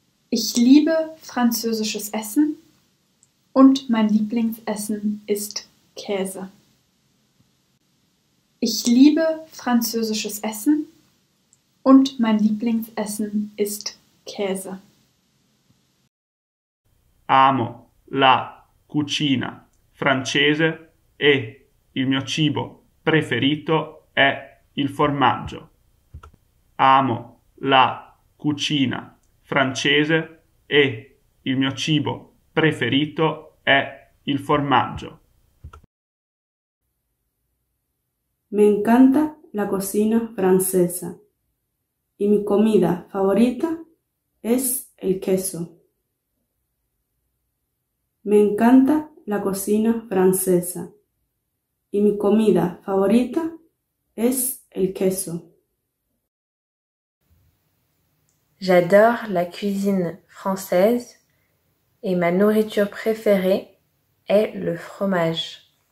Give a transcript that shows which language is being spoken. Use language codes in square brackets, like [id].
[de] Ich liebe französisches Essen und mein Lieblingsessen ist Käse. Ich liebe französisches Essen und mein Lieblingsessen ist Käse. [it] Amo la cucina francese e il mio cibo preferito è il formaggio. Amo la cucina francese e il mio cibo preferito è il formaggio. [es] Me encanta la cocina francesa y mi comida favorita es el queso. Me encanta la cocina francesa y mi comida favorita es Il queso. [fr] J'adore la cuisine française et ma nourriture préférée est le fromage.